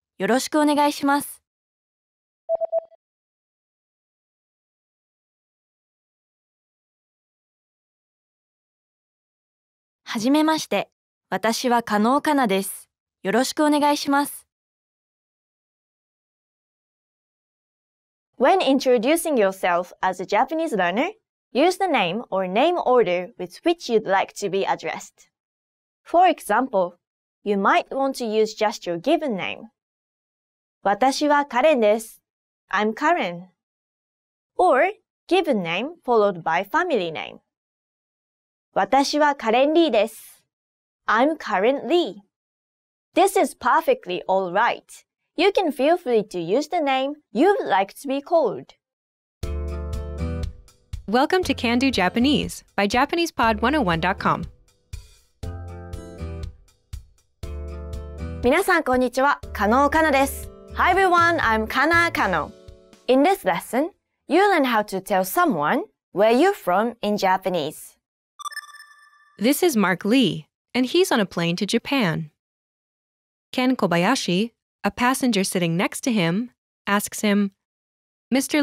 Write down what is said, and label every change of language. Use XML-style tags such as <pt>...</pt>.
<ja>よろしくお願いします。はじめまして。私は加納かなです。よろしくお願いします。</ja> <en>When introducing yourself as a Japanese learner, use the name or name order with which you'd like to be addressed. For example, you might want to use just your given name.</en> <ja>私はカレンです。</ja> <en>I'm Karen. Or given name followed by family name.</en> <ja>私はカレン・リーです。</ja> <en>I'm Karen Lee. This is perfectly all right. You can feel free to use the name you'd like to be called. Welcome to CanDo Japanese by JapanesePod101.com.</en> <ja>皆さんこんにちは、加納かなです。</ja> <en>Hi everyone, I'm Kana Kano. In this lesson, you learn how to tell someone where you're from in Japanese. This is Mark Lee, and he's on a plane to Japan. Ken Kobayashi, a passenger sitting next to him, asks him, Mr.</en>